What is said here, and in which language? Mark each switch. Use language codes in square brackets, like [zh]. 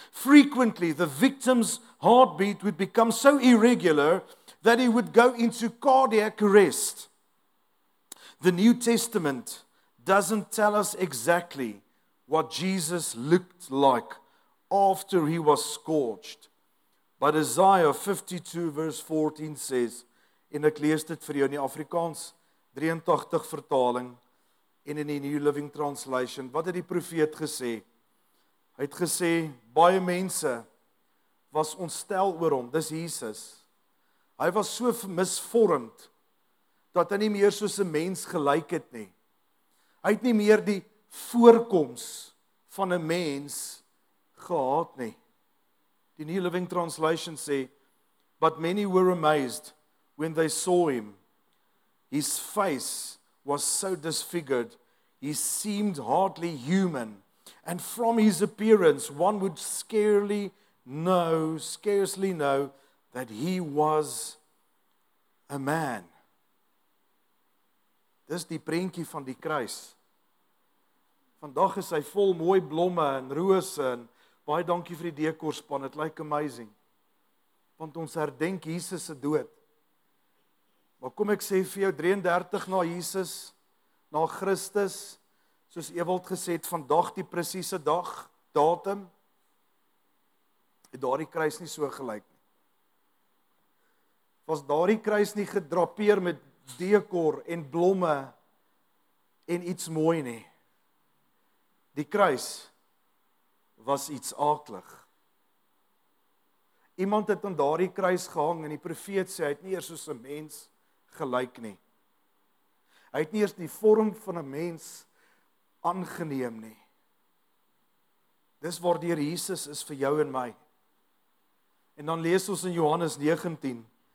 [en] Frequently, the victim's heartbeat would become so irregular that he would go into cardiac arrest. The New Testament doesn't tell us exactly what Jesus looked like after he was scorched. But Isaiah 52 verse 14 says, [af] en ek lees dit vir jou in die Afrikaans 83 vertaling en in die New Living Translation, wat het die profeet gesê? Hy het gesê, baie mense was ontstel oor hom, dis Jesus. Hy was so misvormd, dat hy nie meer soos 'n mens gelyk het nie. Hy het nie meer die voorkoms van 'n mens gehad nie. Die New Living Translation sê, [en] but many were amazed when they saw him. His face was so disfigured, he seemed hardly human. And from his appearance, one would scarcely know that he was a man. [af] Dis die prentjie van die kruis. Vandag is hy vol mooi blomme en rose en baie dankie vir die dekorspan, [en] it like amazing. [af] Want ons herdenk Jesus se dood. Maar kom ek sê vir jou, 33 na Jesus, na Christus, soos Ewald gesê het, vandag die presiese dag, datum, het daardie kruis nie so gelyk nie. Was daardie kruis nie gedrapeer met dekor en blomme en iets mooi nie. Die kruis was iets aaklig. Iemand het aan daardie kruis gehang en die profeet sê, hy het nie eers soos 'n mens gelyk nie. Hy het nie eers die vorm van 'n mens aangeneem nie. Dis waardeur Jesus is vir jou en my. En dan lees ons in Johannes 19